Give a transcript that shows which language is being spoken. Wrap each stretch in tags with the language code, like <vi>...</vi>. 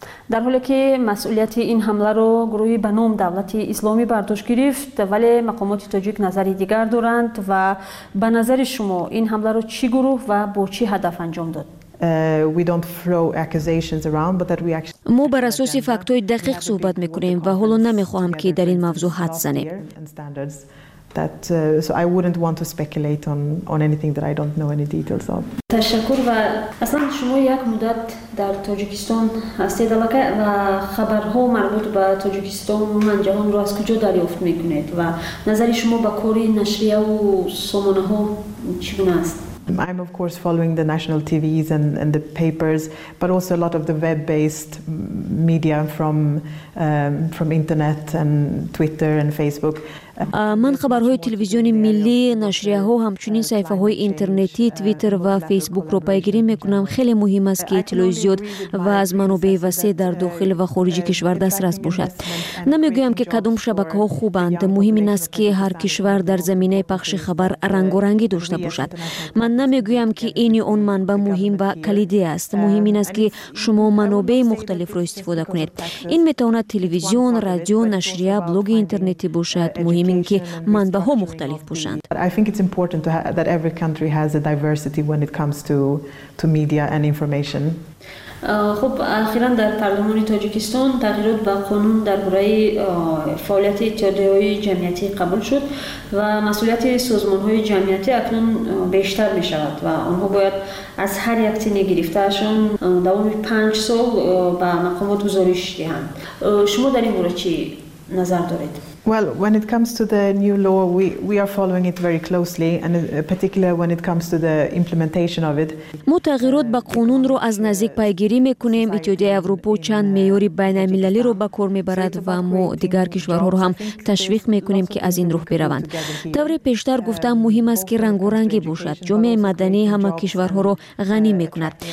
<fa>در حالی که مسئولیت این حمله را گروهی به نام دولت اسلامی برداشت گرفت، ولی مقامات تاجیک نظری دیگر دارند و به نظر شما این حمله را چی گروه و با چی هدف انجام داد؟</fa> <en>We don't throw accusations around, but that we actually.</en> <fa>مو بر اساس فکت‌های دقیق صحبت میکنیم و حالا نمیخواهم که در این موضوع حد زنیم.</fa> <en>That so I wouldn't want to speculate on anything that I don't know any details of.</en> <fa>تشکر و اصلا شما یک مدت در تاجیکستان هستید و خبرها مربوط به تاجیکستان و من جهان رو از کجا دریافت میکنید و نظر شما به کار نشریه و سامانه ها چگونه است؟</fa> <en>I'm of course following the national TVs and the papers, but also a lot of the web-based media from internet and Twitter and Facebook.</en> <fa>من خبرهای تلویزیون ملی، نشریه ها، همچنین صفحه های اینترنتی، تویتر و فیسبوک رو پیگیری میکنم. خیلی مهم است که اطلاع زیاد و از منابع وسیع در داخل و خارج کشور دسترس باشد. نمیگویم که کدام شبکه ها خوبند. مهم این است که هر کشور در زمینه پخش خبر رنگارنگی داشته باشد. من نمیگویم که این یا آن منبع مهم و کلیدی است. مهم این است که شما منابع مختلف رو استفاده کنید. این میتواند تلویزیون، رادیو، نشریه، بلوگ اینترنتی باشد. مهم همین که منبع‌ها مختلف باشند.</fa> <en>I think it's important that every country has a diversity when it comes to media and information.</en> <fa>خب اخیرا در پارلمان تاجیکستان تغییرات به قانون درباره فعالیت اتحادیه‌های جمعیتی قبول شد و مسئولیت سازمان‌های جمعیتی اکنون بیشتر می‌شود و آنها باید از هر یک تنی گرفته‌شان دوام 5 سال به مقامات گزارش دهند. شما در این مورد چی نظر دارید؟</fa> <en>Well, when it comes to the new law, we are following it very closely, and particularly when it comes to the implementation of it.</en> <fa>ما تغییرات به قانون رو از نزدیک پیگیری میکنیم. اتحادیه اروپا چند معیار بین المللی رو به کار میبرد و ما دیگر کشورها رو هم تشویق میکنیم که از این راه بروند. طور پیشتر گفتم مهم است که رنگارنگی باشد. جامعه مدنی همه کشورها رو غنی میکند.</fa>